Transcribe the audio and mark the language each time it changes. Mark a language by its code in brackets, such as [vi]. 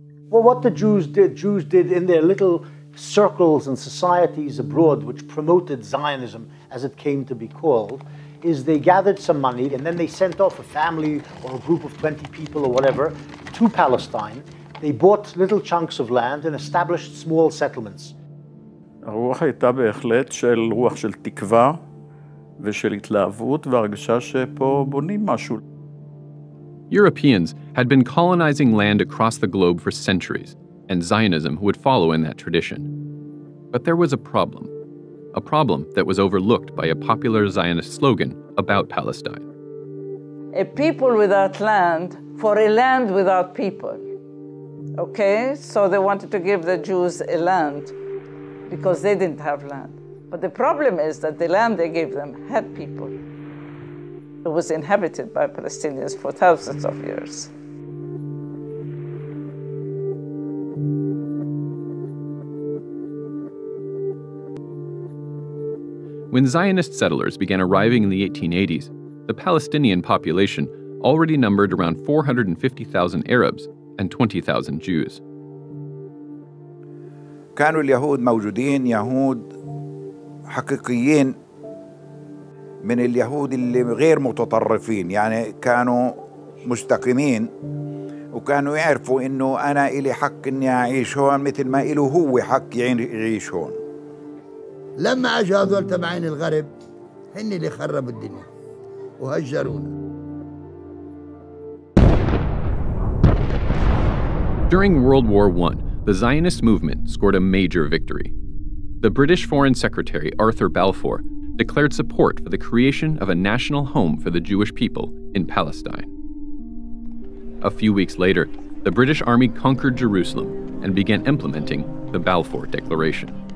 [en] Well, what the Jews did in their little circles and societies abroad, which promoted Zionism as it came to be called, is they gathered some money and then they sent off a family or a group of 20 people or whatever to Palestine. They bought little chunks of land and established small settlements. [he] הרוח הייתה בהחלט של רוח של תקווה ושל התלהבות והרגשה שפה בונים משהו. [en] Europeans had been colonizing land across the globe for centuries, and Zionism would follow in that tradition. But there was a problem that was overlooked by a popular Zionist slogan about Palestine. A people without land for a land without people. Okay, so they wanted to give the Jews a land because they didn't have land. But the problem is that the land they gave them had people. It was inhabited by Palestinians for thousands of years. When Zionist settlers began arriving in the 1880s, the Palestinian population already numbered around 450,000 Arabs and 20,000 Jews. [ar] كانوا اليهود موجودين يهود حقيقيين من اليهود اللي غير متطرفين يعني كانوا مستقيمين وكانوا يعرفوا انه انا الي حق اني اعيش هون مثل ما له هو حق يعيش هون لما اجوا هذول تبعين الغرب هن اللي خربوا الدنيا وهجرونا [en] During World War 1 The Zionist movement scored a major victory. The British Foreign Secretary, Arthur Balfour, declared support for the creation of a national home for the Jewish people in Palestine. A few weeks later, the British Army conquered Jerusalem and began implementing the Balfour Declaration.